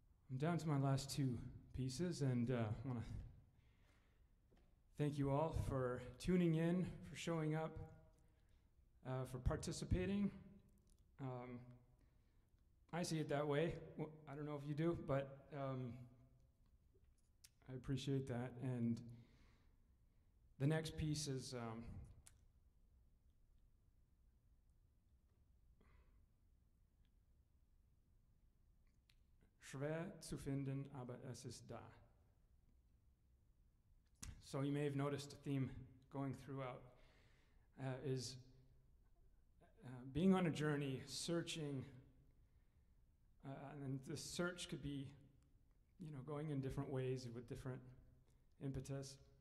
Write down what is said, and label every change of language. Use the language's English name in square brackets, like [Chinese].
[English] I'm down to my last two pieces, and I want to thank you all for tuning in, for showing up, for participating. I see it that way. Well, I don't know if you do, but I appreciate that. And the next piece is [German] Schwer zu finden, aber es ist da. [English] So you may have noticed a theme going throughout is being on a journey, searching, and the search could be, you know, going in different ways with different impetus.